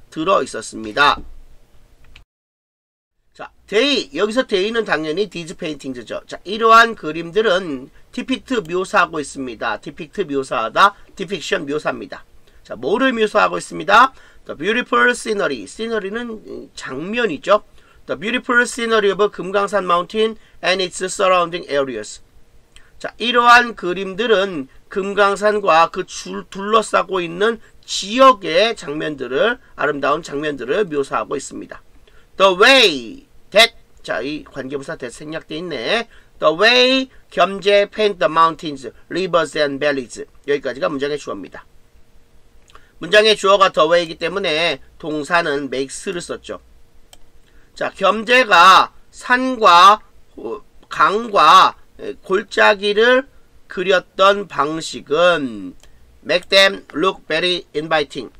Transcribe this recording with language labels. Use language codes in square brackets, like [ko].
[ko] 들어 있었습니다. 자, they, 여기서 they는 당연히 these paintings죠. 자, 이러한 그림들은 depict 묘사하고 있습니다. depict 묘사하다, depiction 묘사입니다. 자, 뭐를 묘사하고 있습니다? [en] The beautiful scenery. [ko] scenery는 장면이죠. [en] The beautiful scenery of 금강산 mountain and its surrounding areas. [ko] 자, 이러한 그림들은 금강산과 그 둘러싸고 있는 지역의 장면들을, 아름다운 장면들을 묘사하고 있습니다. The way that, 자, 이 관계부사 that 생략되어 있네. [en] The way 겸재 paint the mountains, rivers and valleys. [ko] 여기까지가 문장의 주어입니다. 문장의 주어가 the way이기 때문에 동사는 makes를 썼죠. 자, 겸재가 산과 강과 골짜기를 그렸던 방식은 [en] make them look very inviting.